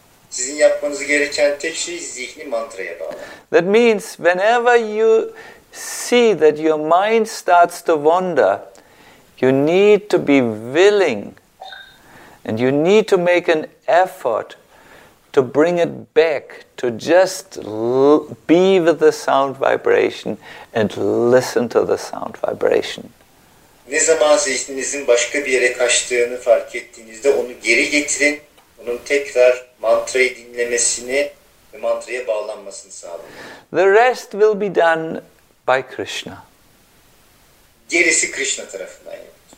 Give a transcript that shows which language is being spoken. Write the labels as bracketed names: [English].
[Turkish] Sizin yapmanız gereken tek şey zihni mantraya bağlamak. [English] That means whenever you see that your mind starts to wander, you need to be willing and you need to make an effort to bring it back, to just be with the sound vibration and listen to the sound vibration. [Turkish] Ne zaman zihninizin başka bir yere kaçtığını fark ettiğinizde onu geri getirin. Onun tekrar mantrayı dinlemesini ve mantraya bağlanmasını sağlayın. [English] The rest will be done by Krishna. [Turkish] Gerisi Krishna tarafından yapılır.